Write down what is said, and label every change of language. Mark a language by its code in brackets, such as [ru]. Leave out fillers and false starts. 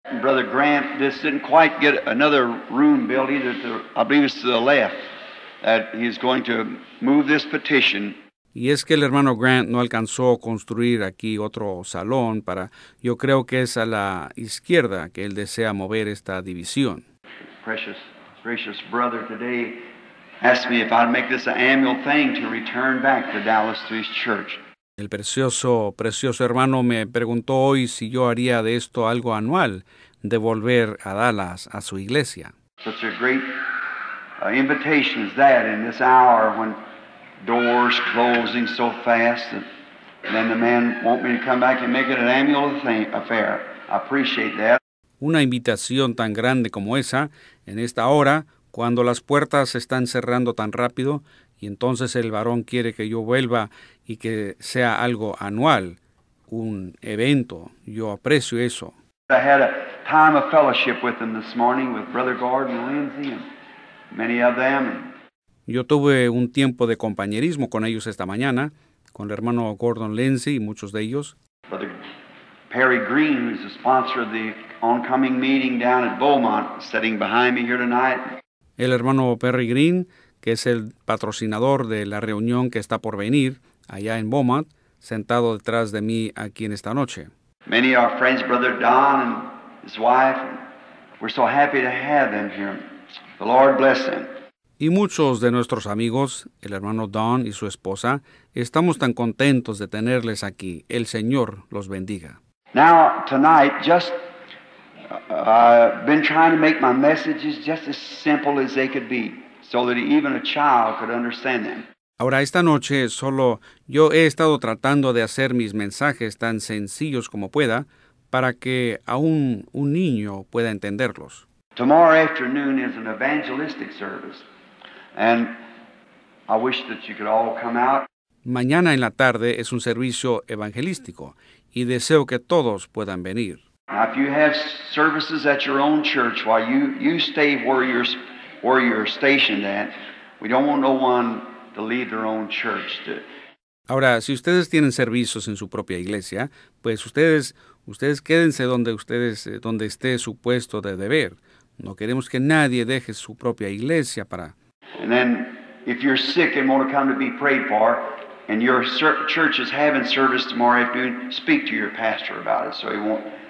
[en] Brother Grant, this didn't quite get another room built either. I believe it's to the left that he's going to move this petition. [es] Y es que el hermano Grant no alcanzó a construir aquí otro salón para, yo creo que es a la izquierda que él desea mover esta división. [en] Precious, gracious brother today. Asked me if I'd make this an annual thing to return back to Dallas to his church. [es] El precioso, precioso hermano me preguntó hoy si yo haría de esto algo anual, de volver a Dallas a su iglesia. [en] Such a great invitation is that in this hour when doors closing so fast, and then the man want me to come back and make it an annual affair. I appreciate that. [es] Una invitación tan grande como esa en esta hora. Cuando las puertas se están cerrando tan rápido, y entonces el varón quiere que yo vuelva y que sea algo anual, un evento, yo aprecio eso. [en] I had a time of fellowship with them this morning with Brother Gordon Lindsay and many of them. [es] Yo tuve un tiempo de compañerismo con ellos esta mañana, con el hermano Gordon Lindsay y muchos de ellos. [en] Brother Perry Green, who's the sponsor of the oncoming meeting down at Beaumont, sitting behind me here tonight. [es] El hermano Perry Green, que es el patrocinador de la reunión que está por venir allá en Beaumont, sentado detrás de mí aquí en esta noche. [en] Many of our friends, Brother Don and his wife, we're so happy to have them here. The Lord bless them. [es] Y muchos de nuestros amigos, el hermano Don y su esposa, estamos tan contentos de tenerles aquí. El Señor los bendiga. [en] Now, tonight, just I've been trying to make my messages just as simple as they could be, so that even a child could understand them. [es] Ahora esta noche solo yo he estado tratando de hacer mis mensajes tan sencillos como pueda para que aún un niño pueda entenderlos. [en] Tomorrow afternoon is an evangelistic service, and I wish that you could all come out. [es] Mañana en la tarde es un servicio evangelístico, y deseo que todos puedan venir. [en] Now, if you have services at your own church, while you stay where you're stationed at, we don't want no one to leave their own church. [es] Ahora, si ustedes tienen servicios en su propia iglesia, pues ustedes quédense donde esté su puesto de deber. No queremos que nadie deje su propia iglesia para. [en] And then, if you're sick and want to come to be prayed for, and your church is having service tomorrow afternoon, speak to your pastor about it, so he won't.